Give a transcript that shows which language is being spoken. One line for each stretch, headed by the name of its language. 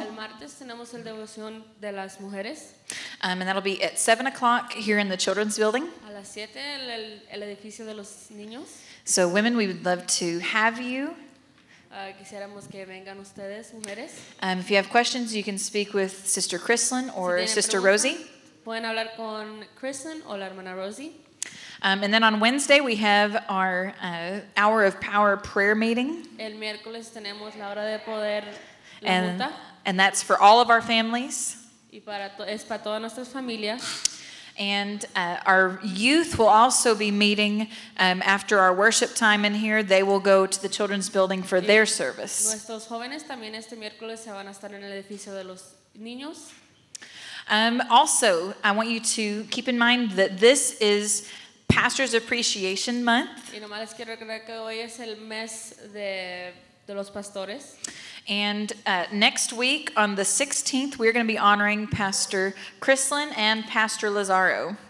Spanish: El martes tenemos el devoción de las mujeres.
English: And that'll be at 7 o'clock here in the children's building.
Spanish: A las 7, el edificio de los niños.
English: So women, we would love to have you.
Spanish: Quisiéramos que vengan ustedes, mujeres.
English: If you have questions, you can speak with Sister Chrislyn or
Spanish: si
English: Sister
Spanish: preguntas,
English: Rosie.
Spanish: Pueden hablar con Kristen o la hermana Rosie.
English: And then on Wednesday we have our Hour of Power prayer meeting.
Spanish: El miércoles tenemos la hora de poder,
English: and that's for all of our families.
Spanish: Y es para todas nuestras familias.
English: And our youth will also be meeting after our worship time in here. They will go to the children's building for their service.
Spanish: Nuestros jóvenes también este miércoles se van a estar en el edificio de los niños.
English: Also, I want you to keep in mind that this is Pastor's Appreciation Month.
Spanish: Y nomás les quiero recordar que hoy es el mes de los pastores.
English: And next week, on the 16th, we're going to be honoring Pastor Chrislyn and Pastor Lazaro.